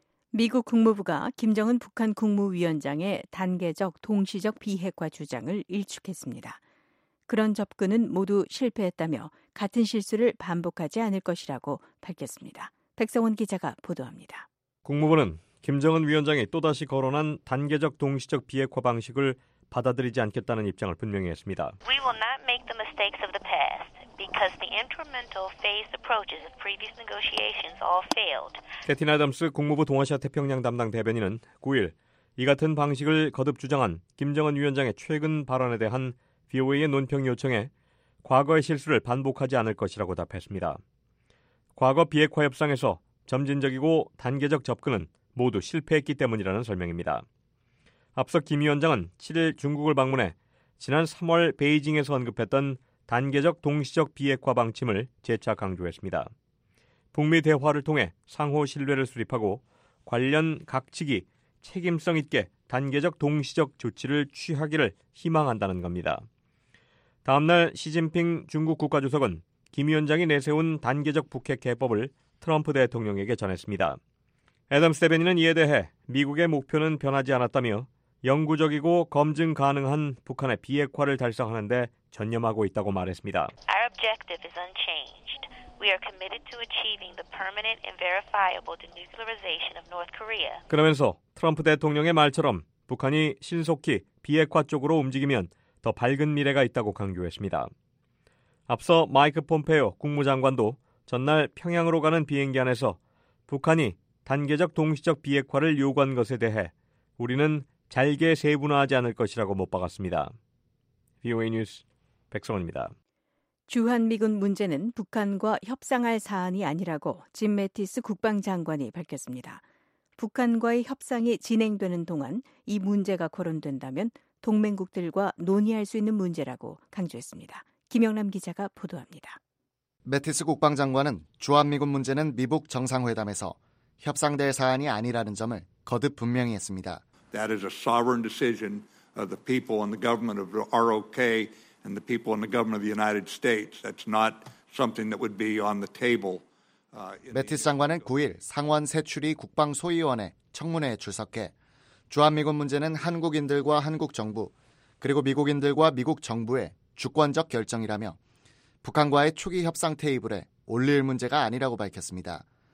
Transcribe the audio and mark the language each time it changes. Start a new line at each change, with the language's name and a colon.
Korean: 미국 국무부가 김정은 북한 국무위원장의 단계적 동시적 비핵화 주장을 일축했습니다. 그런 접근은 모두 실패했다며 같은 실수를 반복하지 않을 것이라고 밝혔습니다. 백성원 기자가 보도합니다. 국무부는 김정은 위원장이 또다시 거론한 단계적 동시적 비핵화 방식을 받아들이지 않겠다는 입장을 분명히 했습니다.
English: We will not make the mistakes of the past. Because the incremental phased approaches of previous negotiations all failed.
Korean: 캐티 아담스 국무부 동아시아 태평양 담당 대변인은 9일 이 같은 방식을 거듭 주장한 김정은 위원장의 최근 발언에 대한 VOA의 논평 요청에 과거의 실수를 반복하지 않을 것이라고 답했습니다. 과거 비핵화 협상에서 점진적이고 단계적 접근은 모두 실패했기 때문이라는 설명입니다. 앞서 김 위원장은 7일 중국을 방문해 지난 3월 베이징에서 언급했던 단계적 동시적 비핵화 방침을 재차 강조했습니다. 북미 대화를 통해 상호 신뢰를 수립하고 관련 각측이 책임성 있게 단계적 동시적 조치를 취하기를 희망한다는 겁니다. 다음 날 시진핑 중국 국가주석은 김 위원장이 내세운 단계적 북핵 해법을 트럼프 대통령에게 전했습니다. 애덤스 대변인은 이에 대해 미국의 목표는 변하지 않았다며 영구적이고 검증 가능한 북한의 비핵화를 달성하는 데 전념하고 있다고 말했습니다.
English: Our objective is unchanged. We are committed to achieving the permanent and verifiable denuclearization of North Korea.
Korean: 그러면서 트럼프 대통령의 말처럼 북한이 신속히 비핵화 쪽으로 움직이면 더 밝은 미래가 있다고 강조했습니다. 앞서 마이크 폼페이오 국무장관도 전날 평양으로 가는 비행기 안에서 북한이 단계적 동시적 비핵화를 요구한 것에 대해 우리는 잘게 세분화하지 않을 것이라고 못 박았습니다. VOA 뉴스 백성원입니다. 주한미군 문제는 북한과 협상할 사안이 아니라고 짐 매티스 국방장관이 밝혔습니다. 북한과의 협상이 진행되는 동안 이 문제가 거론된다면 동맹국들과 논의할 수 있는 문제라고 강조했습니다. 김영남 기자가 보도합니다. 매티스 국방장관은 주한미군 문제는 미북 정상회담에서 협상될 사안이 아니라는 점을 거듭 분명히 했습니다.
English: That is a sovereign decision of the people and the government of the ROK and the people and the government of the United States. That's not something that would be on the table.
Korean: 매티스 장관은 9일 상원 세출위 국방소위원회 청문회에 출석해 주한미군 문제는 한국인들과 한국 정부 그리고 미국인들과 미국 정부의 주권적 결정이라며 북한과의 초기 협상 테이블에 올릴 문제가 아니라고 밝혔습니다.